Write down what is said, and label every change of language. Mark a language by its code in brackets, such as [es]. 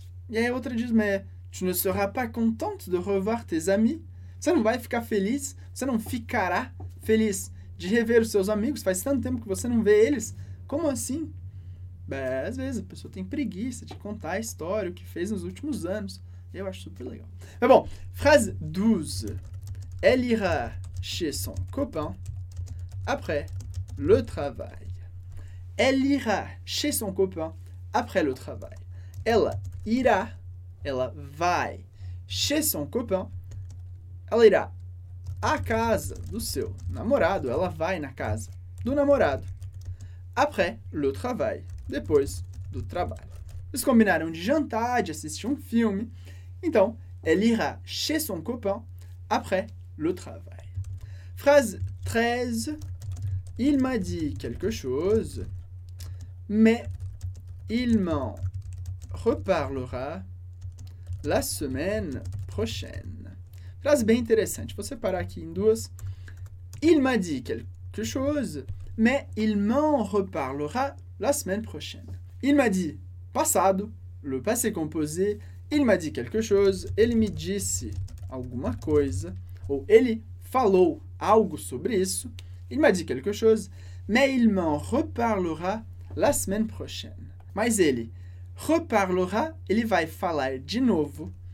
[pt] E aí a outra diz: [fr] mais tu ne seras pas contente de revoir tes amis? [pt] Você não vai ficar feliz? Você não ficará feliz de rever os seus amigos? Faz tanto tempo que você não vê eles? Como assim? Às vezes a pessoa tem preguiça de contar a história, o que fez nos últimos anos. Eu acho super legal. Mas bom, phrase 12. [fr] Elle ira chez son copain après le travail. Elle ira chez son copain après le travail. [pt] Ela ira, ela vai [fr] chez son copain. [pt] Ela irá à casa do seu namorado. Ela vai na casa do namorado. [fr] Après le travail. [pt] Depois do trabalho. Eles combinaram de jantar, de assistir um filme. [fr] Então, elle ira chez son copain après le travail. Phrase 13. Il m'a dit quelque chose, mais il m'en reparlera la semaine prochaine. [pt] Phrase bem interessante. Vou separar aqui em duas. [fr] Il m'a dit quelque chose, mais il m'en reparlera la semaine prochaine. Il m'a dit passado, le passé composé. Il m'a dit quelque chose. [pt] Ele me disse alguma coisa. Ou ele falou algo sobre isso. [fr] Il m'a dit quelque chose. Mais il m'en reparlera la semaine prochaine. [pt] Mas ele reparlera, ele vai falar de novo.